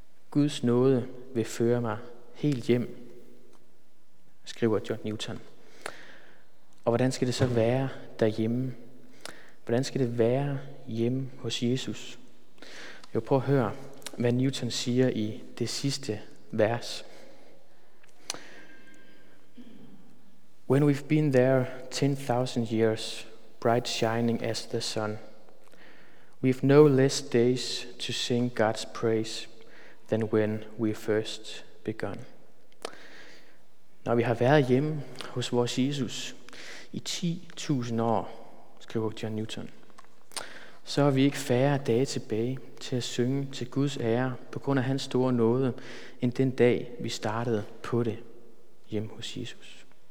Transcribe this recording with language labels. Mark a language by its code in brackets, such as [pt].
[da] Guds nåde vil føre mig helt hjem, skriver John Newton. Og hvordan skal det så være derhjemme? Hvordan skal det være hjemme hos Jesus? Jo, prøv at høre, hvad Newton siger i det sidste vers. [en] When we've been there 10,000 years, bright shining as the sun, we've no less days to sing God's praise than when we first begun. [da] Når vi har været hjemme hos vores Jesus i 10,000 år, skriver John Newton, så har vi ikke færre dage tilbage til at synge til Guds ære på grund af hans store nåde, end den dag, vi startede på det hjemme hos Jesus.